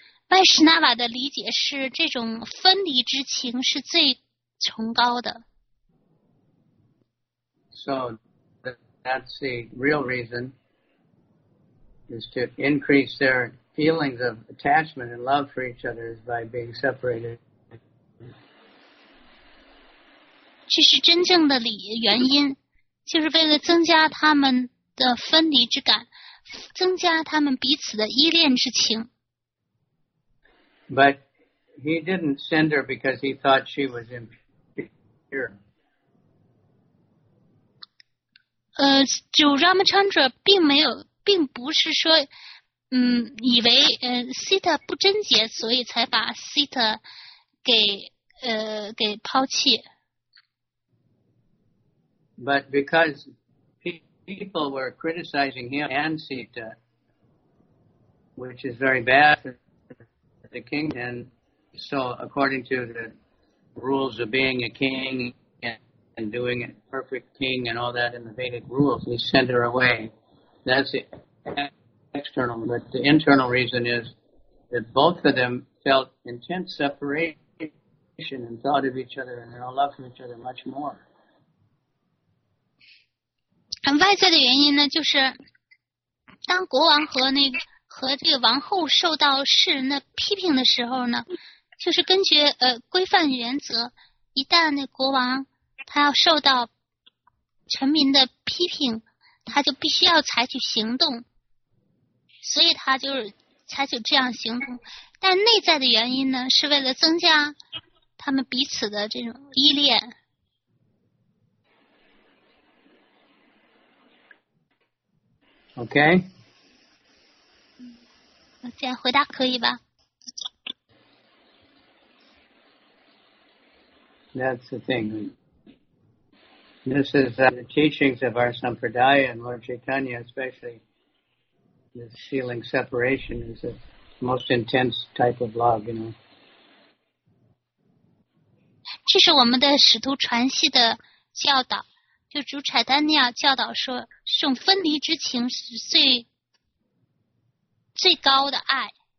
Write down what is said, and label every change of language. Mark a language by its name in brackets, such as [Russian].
[Chinese] Vaishnava 的理解是这种分离之情是最崇高的。 [English] So that's the real reason, is to increase their feelings of attachment and love for each other is by being separated. [Chinese] 这是真正的理原因，就是为了增加他们的分离之感，增加他们彼此的依恋之情。 [English] But he didn't send her because he thought she was impure. [Chinese] 主 Ramachandra 并没有，并不是说，以为Sita 不贞洁，所以才把 Sita 给抛弃。 [English] But because people were criticizing him and Sita, which is very bad the king, and so according to the rules of being a king and doing a perfect king and all that in the Vedic rules, he sent her away. That's the external, but the internal reason is that both of them felt intense separation and thought of each other and their own love for each other much more. [Chinese] 外在的原因呢，就是当国王和那个和这个王后受到世人的批评的时候呢，就是根据规范原则，一旦那国王他要受到臣民的批评，他就必须要采取行动，所以他就是采取这样行动。但内在的原因呢，是为了增加他们彼此的这种依恋。 [English] OK。 [Chinese] 这样回答可以吧？ [English] That's the thing. This is the teachings of our Sampradaya and Lord Chaitanya, especially this feeling separation is the most intense type of love, you know. [Chinese] 这是我们的使徒传系的教导，就主柴丹尼亚教导说，这种分离之情是最高的爱。